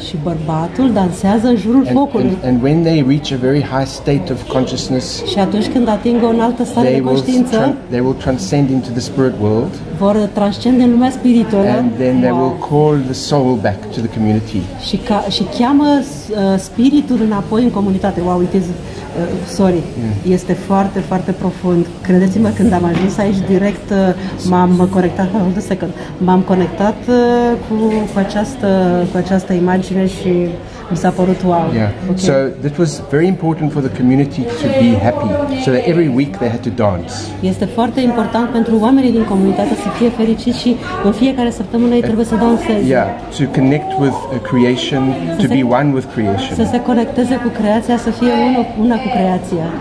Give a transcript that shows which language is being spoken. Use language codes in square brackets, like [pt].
[ro] Și bărbatul dansează în jurul focului. [en] And when they reach a very high state of consciousness. [ro] Și atunci când ating o altă stare de conștiință, [en] they will transcend into the spirit world. [ro] Vor transcende în lumea spirituală. [en] And then they will call the soul back to the community. [ro] Și cheamă spiritul înapoi în comunitate. [en] Wow, it is sorry. Yeah. [ro] Este foarte, foarte profund. Credeți-mă, când am ajuns aici direct, m-am conectat, [en] hold a second, [ro] m-am conectat cu această imagine și mi s-a părut wow. [en] Yeah. Okay. So this was very important for the community to be happy. So that every week they had to dance. [ro] Este foarte important pentru oamenii din comunitate să fie fericiți și în fiecare săptămână ei trebuie să danseze. [en] Yeah. To connect with creation, to be one with creation. [ro] Să se conecteze cu creația, să fie una cu creația.